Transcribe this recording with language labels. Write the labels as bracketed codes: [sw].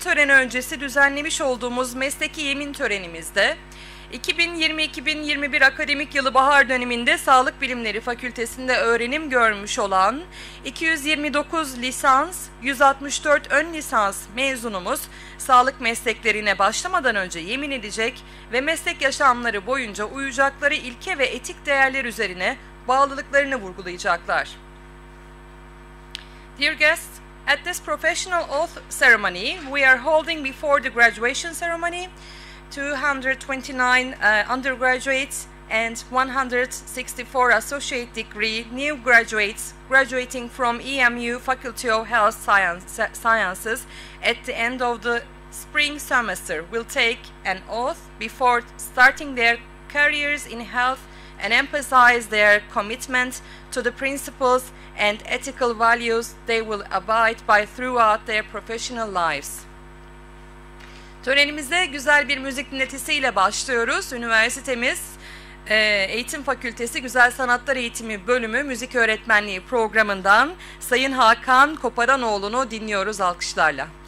[tr] Öncesi düzenlemiş olduğumuz mesleki yemin törenimizde 2020-2021 akademik yılı bahar döneminde Sağlık Bilimleri Fakültesi'nde öğrenim görmüş olan 229 lisans, 164 ön lisans mezunumuz sağlık mesleklerine başlamadan önce yemin edecek ve meslek yaşamları boyunca uyacakları ilke ve etik değerler üzerine bağlılıklarını vurgulayacaklar. [en] Dear guests, at this professional oath ceremony, we are holding before the graduation ceremony 229 undergraduates and 164 associate degree new graduates graduating from EMU Faculty of Health Sciences at the end of the spring semester will take an oath before starting their careers in health and emphasize their commitment to the principles and ethical values they will abide by throughout their professional lives. [tr] Törenimize güzel bir müzik dinletisiyle başlıyoruz. Üniversitemiz Eğitim Fakültesi Güzel Sanatlar Eğitimi Bölümü Müzik Öğretmenliği Programı'ndan Sayın Hakan Koparanoğlu'nu dinliyoruz alkışlarla.